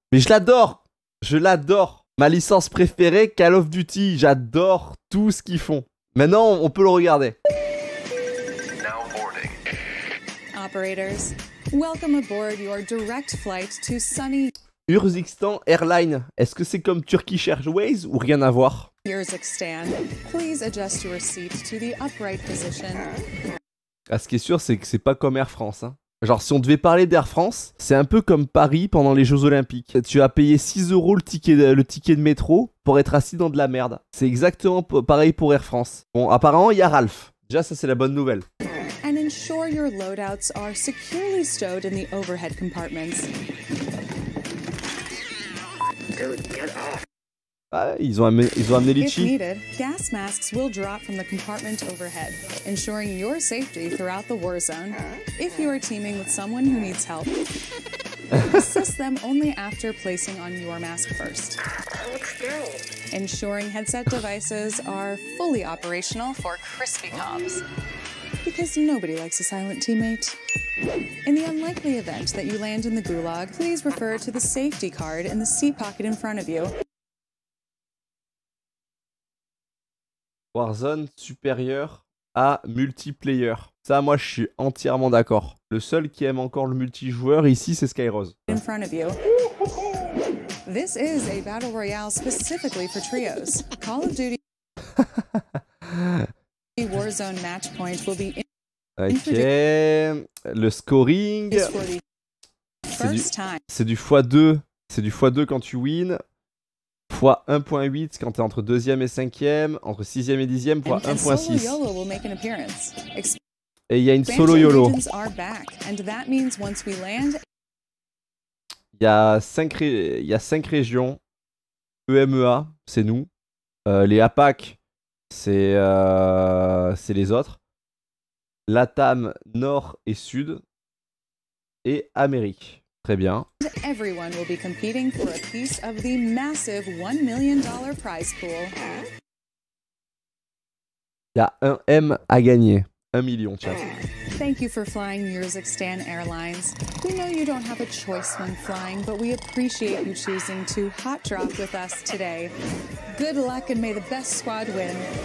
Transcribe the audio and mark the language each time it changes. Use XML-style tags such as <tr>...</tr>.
<fr>Mais je l'adore. Je l'adore. Ma licence préférée, Call of Duty. J'adore tout ce qu'ils font. Maintenant, on peut le regarder.</fr> <en>Now boarding. Operators, welcome aboard your direct flight to sunny... Uzbekistan Airlines.</en> <fr>Est-ce que c'est comme Turkish Airways ou rien à voir?</fr> <en>Uzbekistan, please adjust your seat to the upright position.</en> <fr>Ah, ce qui est sûr, c'est que c'est pas comme Air France, hein. Genre, si on devait parler d'Air France, c'est un peu comme Paris pendant les Jeux Olympiques. Tu as payé 6€ le ticket de métro pour être assis dans de la merde. C'est exactement pareil pour Air France. Bon, apparemment, il y a Ralph. Déjà, ça, c'est la bonne nouvelle.</fr> <en>And ensure your loadouts are securely stowed in the overhead compartments.</en> <fr>Ah, ils ont amené Litchi.</fr> <en>If needed, gas masks will drop from the compartment overhead, ensuring your safety throughout the war zone. If you are teaming with someone who needs help, assist them only after placing on your mask first. Ensuring headset devices are fully operational for crispy comms. Because nobody likes a silent teammate. In the unlikely event that you land in the gulag, please refer to the safety card in the seat pocket in front of you.</en> <fr>Warzone supérieur à multiplayer. Ça, moi, je suis entièrement d'accord. Le seul qui aime encore le multijoueur ici, c'est Skyrose.</fr> <en>In front of you. This is a battle royale specifically for trios. Call of Duty. Warzone match point will be.</en> <fr>Ok, le scoring. C'est du x2. C'est du x2 quand tu win. Fois 1.8 quand t'es entre 2e et 5e. Entre 6e et 10e, fois 1.6. Et il y a une solo YOLO. Il y a 5 régions. EMEA, c'est nous. Les APAC, c'est les autres. LATAM Nord et Sud et Amérique. Très bien.</fr> <en>Everyone will be competing for a piece of the massive $1 million prize pool.</en> <fr>Il y a un M à gagner, 1 million, chat.</fr> <en>Thank you for flying Uzbekistan Airlines. We know you don't have a choice when flying, but we appreciate you choosing to hot drop with us today. Good luck and may the best squad win.</en>